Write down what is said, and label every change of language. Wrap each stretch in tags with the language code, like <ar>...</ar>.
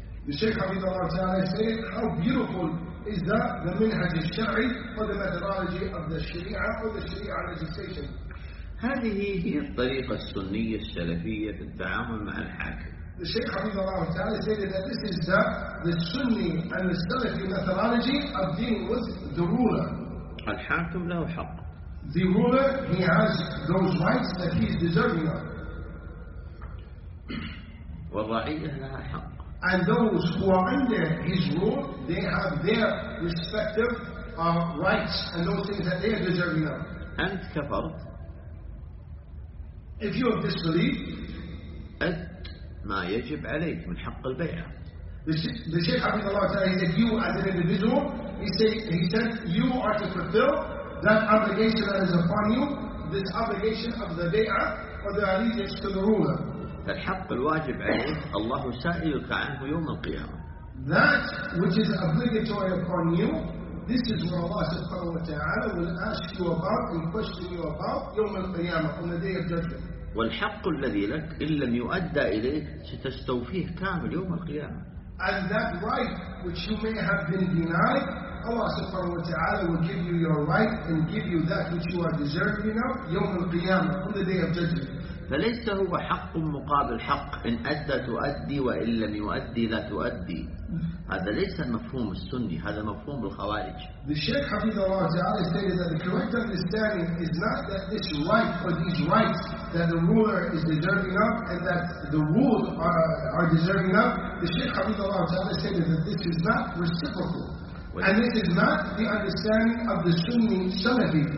<en>The Shaykh Abid Allah Ta'ala said, how beautiful is that the</en> <ar>منهج الشرعي</ar> <en>or the methodology of the Sharia or the Sharia legislation.</en> <ar>هذه هي الطريقة السنية السلفية في التعامل مع الحاكم.</ar> <en>The Shaykh Abid Allah Ta'ala said that this is the Sunni and the Salafi methodology of dealing with the ruler.</en> <ar>الحاكم له حق.</ar> <en>The ruler, he has those rights that he is deserving of.</en> <ar>والرعية لها حق.</ar> <en>And those who are under his rule, they have their respective rights and those things that they are deserving of.</en> <ar>أنت كفرت.</ar> <en>If you have disbelieved,</en> <ar>أد ما يجب عليك من حق البيعة.</ar> <en>The Shaykh Abid Allah Ta'ala said, you as an individual, he said, you are to fulfill that obligation that is upon you, this obligation of the bay'ah or the allegiance to the ruler.</en> <ar>فالحق الواجب عليك الله سائلك عنه يوم القيامة.</ar> <en>That which is obligatory upon you, this is what Allah subhanahu wa ta'ala will ask you about and question you about</en> <ar>يوم القيامة</ar> <en>on the day of judgment.</en> <ar>والحق الذي لك إن لم يؤدى إليك ستستوفيه كامل يوم القيامة.</ar> <en>And that right which you may have been denied, Allah subhanahu wa ta'ala will give you your right and give you that which you are deserving of</en> <ar>يوم القيامة</ar> <en>on the day of judgment.</en> <ar>فليس هو حق مقابل حق، إن أدى تؤدي وإن لم يؤدي لا تؤدي. هذا ليس المفهوم السني، هذا مفهوم الخوارج.</ar> <en>The Shaykh Hafid Allah Ta'ala says that the correct understanding is not that this right or these rights that the ruler is deserving of and that the ruled are deserving of. The Shaykh Hafid Allah Ta'ala says that this is not reciprocal. و And this is not the understanding of the Sunni Salafi.</en>